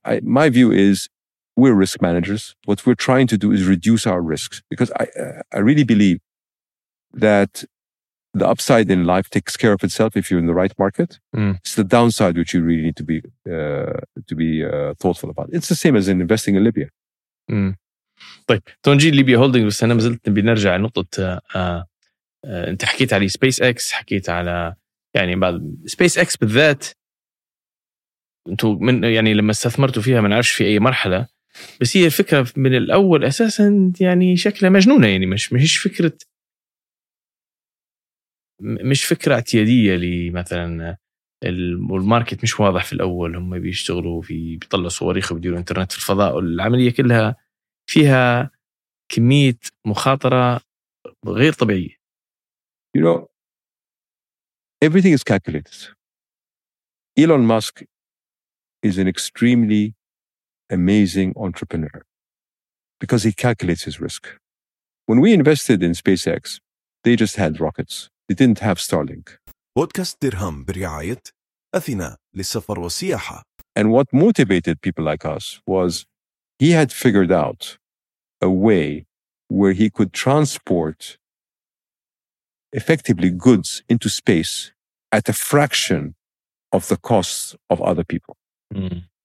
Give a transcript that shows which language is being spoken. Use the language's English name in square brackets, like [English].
[English] My view is we're risk managers. What we're trying to do is reduce our risks, because I really believe that the upside in life takes care of itself if you're in the right market. Mm. It's the downside which you really need to be thoughtful about. It's the same as in investing in Libya. [Arabic] Mm. طيب تونجي ليبيا هولدينج بس انا ما زلت بنرجع لنقطه انت حكيت على سبيس اكس، حكيت على يعني بعد سبيس اكس بالذات، انتو من يعني لما استثمرتوا فيها ما نعرفش في اي مرحله، بس هي الفكره من الاول اساسا يعني شكلها مجنونه، يعني مش فكره اعتياديه لمثلا الماركت مش واضح في الاول، هم بيشتغلوا في بيطلعوا صواريخ وبيديروا انترنت في الفضاء، والعمليه كلها فيها كميه مخاطره غير طبيعيه. [English] You know, everything is calculated. Elon Musk is an extremely amazing entrepreneur because he calculates his risk. When we invested in SpaceX, they just had rockets. They didn't have Starlink. [Arabic] بودكاست درهم برعاية أثينا للسفر والسياحة. [English] And what motivated people like us was he had figured out a way where he could transport effectively goods into space at a fraction of the costs of other people. Mm.